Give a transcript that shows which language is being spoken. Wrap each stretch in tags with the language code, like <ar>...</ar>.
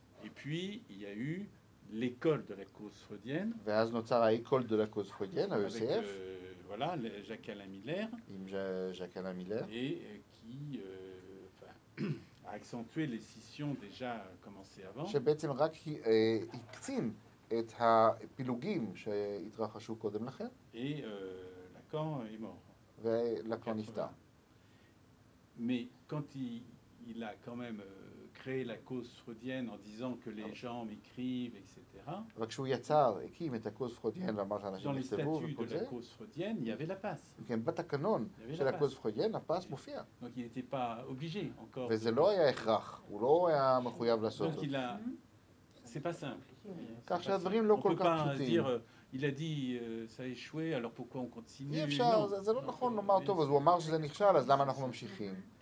<fr>Et puis, il y a eu l'école de la cause freudienne.</fr> <he>ואז נוצר האקול דה לה קוס פרוידיאן, ה-ECF.</he> <fr>Voilà, Jacques Alain Miller.</fr> <he>עם ז'אק אלן מילר.</he> <fr>Et qui a accentué les scissions déjà commencées avant.</fr> <he>שבעצם רק הקצין את הפילוגים שהתרחשו קודם לכן.</he> <fr>Et Lacan est mort.</fr> <he>ולקאן נפטר.</he> <fr>Mais quand il a quand même créé la cause freudienne en disant que les gens m'écrivent, etc.</fr> <he>אבל כשהוא יצר, הקים את הקוס פרוידיאן ואמר שאנשים נכתבו וכל זה.</he> <fr>Dans les statuts de la cause freudienne, il y avait la passe.</fr> <he>כן, בתקנון של הקוס פרוידיאן, הפס מופיע.</he> <fr>Donc il n'était pas obligé encore.</fr> <he>וזה לא היה הכרח, הוא לא היה מחויב לעשות.</he> <fr>Donc il a... C'est pas simple.</fr> <he>כך שהדברים לא כל כך פשוטים.</he> <fr>Il a dit, ça a échoué, alors pourquoi on continue?</fr> <he>אי אפשר, זה לא נכון לומר טוב, אז הוא אמר שזה נכשל, אז למה אנחנו ממשיכים?</he>